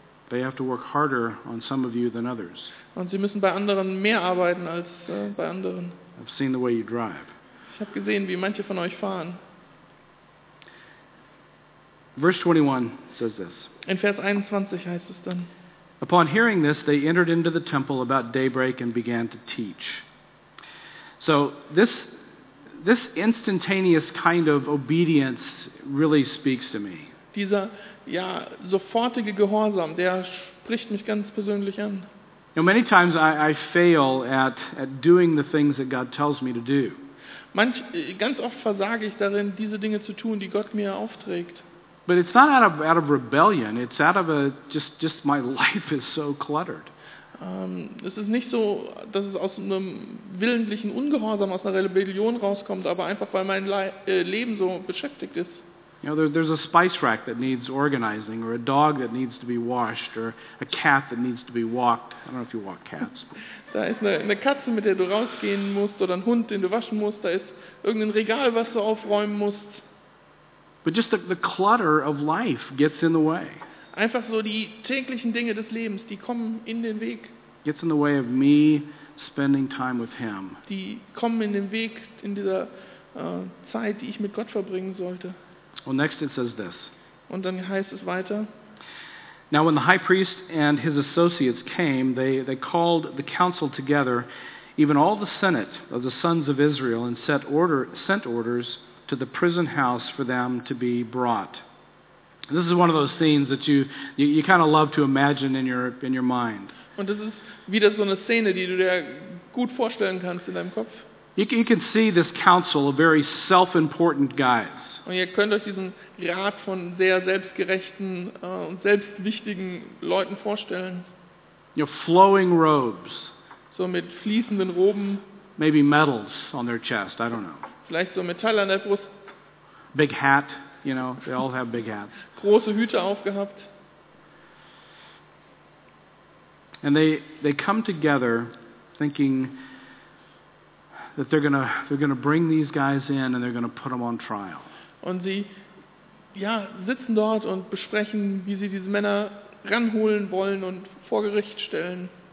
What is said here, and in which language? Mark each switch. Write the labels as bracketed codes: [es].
[en] They have to work harder on some of you than others. [de] Und sie müssen bei anderen mehr arbeiten als bei anderen. [en] I've seen the way you drive. [de] Ich habe gesehen, wie manche von euch fahren. [en] Verse 21 says this. [de] In Vers 21 heißt es dann. [en] Upon hearing this, they entered into the temple about daybreak and began to teach. So this instantaneous kind of obedience really speaks to me. [de] Dieser sofortige Gehorsam, der spricht mich ganz persönlich an. [en] You know, many times I fail at doing the things that God tells me to do. [de] Ganz oft versage ich darin, diese Dinge zu tun, die Gott mir aufträgt. [en] But it's not out of rebellion. It's out of a just my life is so cluttered. [de] Es ist nicht so, dass es aus einem willentlichen Ungehorsam, aus einer Rebellion rauskommt, aber einfach weil mein Leben so beschäftigt ist. [en] You know, there's a spice rack that needs organizing, or a dog that needs to be washed, or a cat that needs to be walked. I don't know if you walk cats. [de] Da ist eine Katze, mit der du rausgehen musst, oder ein Hund, den du waschen musst. Da ist irgendein Regal, was du aufräumen musst. [en] But just the clutter of life gets in the way. [de] Einfach so die täglichen Dinge des Lebens, die kommen in den Weg. [en] Gets in the way of me spending time with him. [de] Die kommen in den Weg in dieser Zeit, die ich mit Gott verbringen sollte. [en] Well, next it says this. [de] Und dann heißt es weiter. [en] Now when the high priest and his associates came, they called the council together, even all the senate of the sons of Israel, and sent orders to the prison house for them to be brought. This is one of those scenes that you kind of love to imagine in your mind. [de] Und das ist wieder so eine Szene, die du dir gut vorstellen kannst in deinem Kopf. [en] You can see this council of very self-important guys. [de] Und ihr könnt euch diesen Rat von sehr selbstgerechten und selbstwichtigen Leuten vorstellen. [en] You know, flowing robes. [de] So mit fließenden Roben. [en] Maybe medals on their chest, I don't know. [de] Vielleicht so Metall an der Brust. [en] Big hat, you know, they all have big hats. [de] Große Hüte aufgehabt. [en] And they come together thinking that they're gonna bring these guys in and they're gonna put them on trial. [de] Und sie sitzen dort und besprechen, wie sie diese Männer ranholen wollen und vor Gericht stellen.